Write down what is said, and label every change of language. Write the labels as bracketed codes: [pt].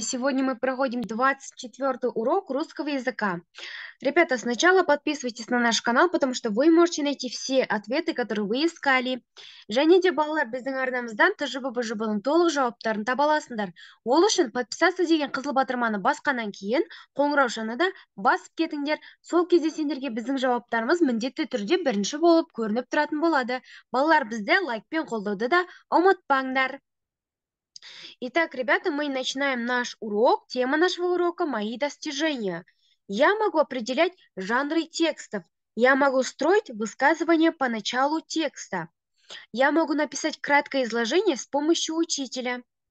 [ru] Сегодня мы проходим 24-й урок русского языка. Ребята, сначала подписывайтесь на наш канал, потому что вы можете найти все ответы, которые вы искали. [kk] Және де балалар, біздің арнамыздан тұжыбы бұжыбының толық жауаптарын таба аласыңдар. Ол үшін подписаться деген қызыл батырманы басқаннан кейін, қоңырау шалуды басып кетіңдер. Сол кезде сендерге біздің жауаптарымыз міндетті түрде бірінші болып көрініп тұратын болады. Балалар, бізді лайкпен қолдауды да ұмытпаңдар. [ru] Итак, ребята, мы начинаем наш урок. Тема нашего урока – мои достижения. Я могу определять жанры текстов. Я могу строить высказывания по началу текста. Я могу написать краткое изложение с помощью учителя.